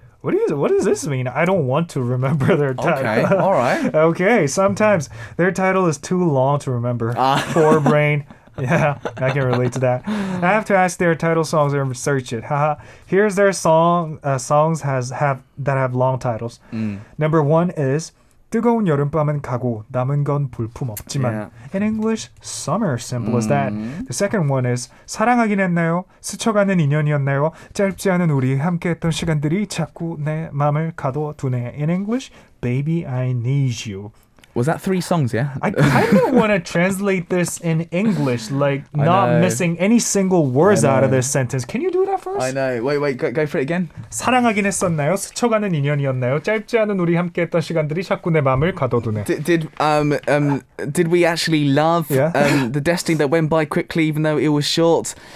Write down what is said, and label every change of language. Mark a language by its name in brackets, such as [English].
[English] What does this mean? I don't want to remember their title. Okay, all right. Okay, sometimes their title is too long to remember. Poor brain. Yeah, I can relate to that. I have to ask their title songs and research it. Here's their song songs that have long titles. Number one is 뜨거운 여름밤은 가고 남은 건 볼품 없지만. In English, summer, simple as that. The second one is 사랑하긴 했나요? [Korean] 스쳐가는 인연이었나요? 짧지 않은 우리 함께했던 시간들이 자꾸 내 마음을 가둬두네. [English] In English, baby, I need you. Was that three songs, yeah? I kind of want to translate this in English, like not missing any single words out of this sentence. Can you do that first? I know. Wait, go for it again. [Korean] 사랑하긴 했었나요? 스쳐가는 인연이었나요? 짧지 않은 우리 함께했던 시간들이 자꾸 내 마음을 가둬두네. [English] Did we actually love the destiny that went by quickly, even though it was short?